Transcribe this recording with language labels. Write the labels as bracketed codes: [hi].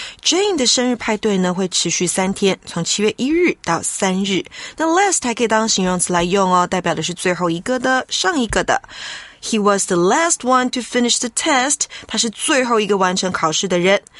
[zh] Jane 的生日派对呢会持续三天，从7月1日到3日。那 last 还可以当形容词来用哦，代表的是最后一个的、上一个的。 [en] He was the last one to finish the test. [zh] 他是最后一个完成考试的人。